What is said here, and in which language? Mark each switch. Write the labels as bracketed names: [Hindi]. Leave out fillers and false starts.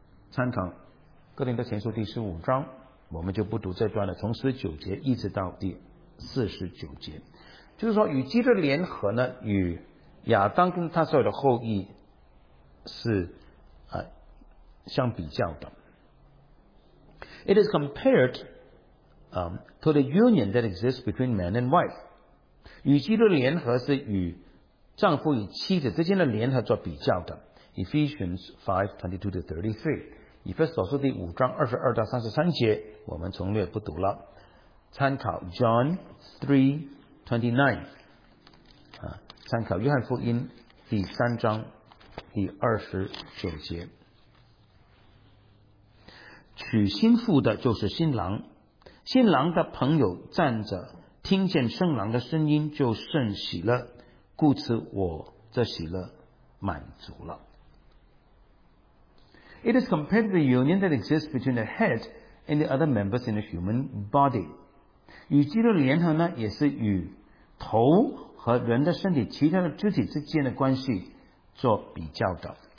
[Chinese] 参考哥林多前书第十五章，我们就不读这段了，从十九节一直到第四十九节。就是说与基督联合呢，与亚当跟他所有的后裔是相比较的。 [English] It is compared to the union that exists between man and wife， [Chinese] 与基督联合是与丈夫与妻子之间的联合做比较的。 Ephesians 5:22-33， 以弗所书第五章二十二到三十三节，我们从略不读了，参考 John 3:29，参考约翰福音第三章第二十九节，娶新妇的就是新郎，新郎的朋友站着听见新郎的声音就甚喜乐，故此我这喜乐满足了。 [English] It is compared to the union that exists between the head and the other members in the human body， [Chinese] 与基督联合呢，也是与头和人的身体其他的肢体之间的关系做比较的。